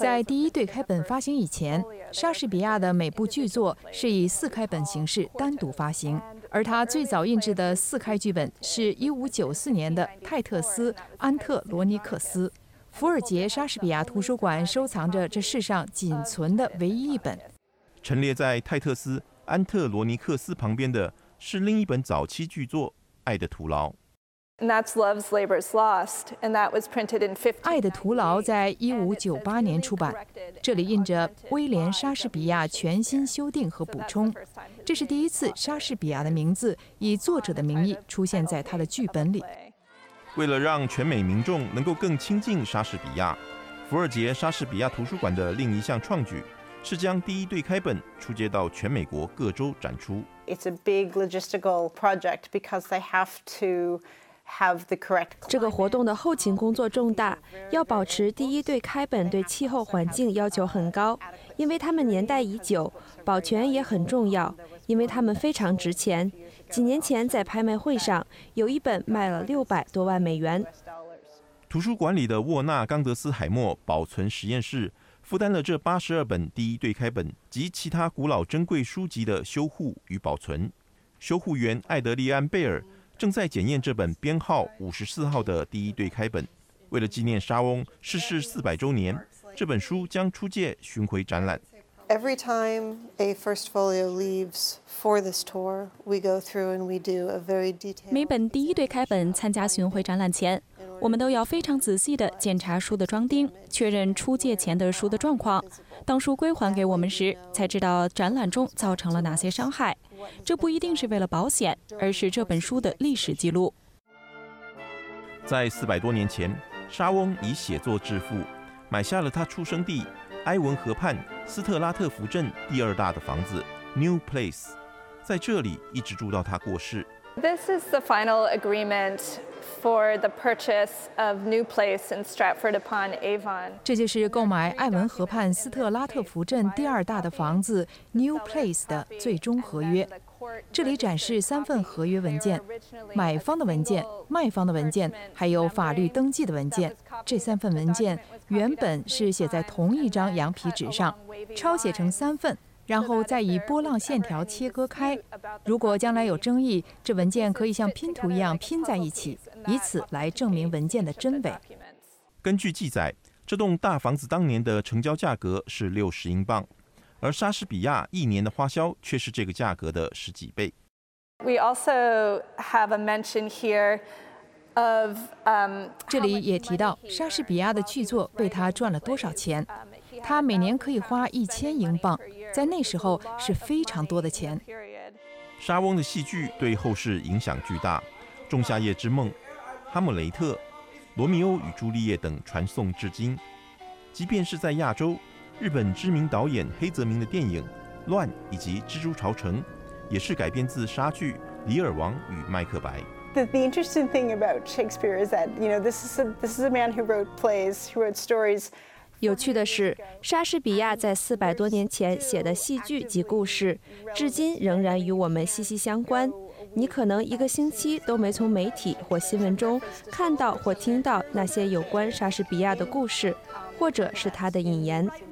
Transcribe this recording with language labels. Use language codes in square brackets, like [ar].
[zh] 在第一对开本发行以前，莎士比亚的每部剧作是以4开本形式单独发行，而他最早印制的4开剧本是1594年的《泰特斯·安特罗尼克斯》。福尔杰莎士比亚图书馆收藏着这世上仅存的唯一一本。陈列在《泰特斯·安特罗尼克斯》旁边的是另一本早期剧作《爱的徒劳》。 [en] And that's Love's Labour's Lost, and that was printed in 15. [zh] 爱的徒劳在1598年出版，这里印着威廉莎士比亚全新修订和补充，这是第一次莎士比亚的名字以作者的名义出现在他的剧本里。为了让全美民众能够更亲近莎士比亚，福尔杰莎士比亚图书馆的另一项创举是将第一对开本出借到全美国各州展出。 [en] It's a big logistical project because they have to. [zh] 这个活动的后勤工作重大，要保持第一对开本对气候环境要求很高，因为它们年代已久，保全也很重要，因为它们非常值钱。几年前在拍卖会上，有一本卖了600多万美元。图书馆里的沃纳·冈德斯海默保存实验室负担了这82本第一对开本及其他古老珍贵书籍的修护与保存。修护员艾德利安·贝尔正在检验这本编号54号的第一对开本。为了纪念莎翁逝世400周年，这本书将出借巡回展览。 [en] Every time a first folio leaves for this tour, we go through and we do a very detailed. [zh] 每本第一对开本参加巡回展览前，我们都要非常仔细地检查书的装订，确认出借前的书的状况。当书归还给我们时，才知道展览中造成了哪些伤害。这不一定是为了保险，而是这本书的历史记录。在400多年前，莎翁以写作致富，买下了他出生地埃文河畔斯特拉特福镇第二大的房子 New Place， 在这里一直住到他过世。 [en] This is the final agreement. For the purchase of New Place in Stratford upon Avon. [zh] 这就是购买埃文河畔斯特拉特福镇第二大的房子 New Place 的最终合约。这里展示3份合约文件：买方的文件、卖方的文件，还有法律登记的文件。这3份文件原本是写在同一张羊皮纸上，抄写成3份。然后再以波浪线条切割开，如果将来有争议，这文件可以像拼图一样拼在一起，以此来证明文件的真伪。根据记载，这栋大房子当年的成交价格是60英镑，而莎士比亚一年的花销却是这个价格的10几倍。 [en] We also have a mention here of [zh] 这里也提到莎士比亚的剧作为他赚了多少钱，他每年可以花1000英镑，在那时候是非常多的钱。莎翁的戏剧对后世影响巨大，《仲夏夜之梦》、《哈姆雷特》、《罗密欧与朱丽叶》等传颂至今。即便是在亚洲，日本知名导演黑泽明的电影《乱》以及《蜘蛛巢城》也是改编自莎剧《李尔王与麦克白》。 [en] The interesting thing about Shakespeare is that, you know, this is a man who wrote plays, who wrote stories. [zh] 有趣的是，莎士比亚在四百多年前写的戏剧及故事，至今仍然与我们息息相关。你可能一个星期都没从媒体或新闻中看到或听到那些有关莎士比亚的故事，或者是他的引言。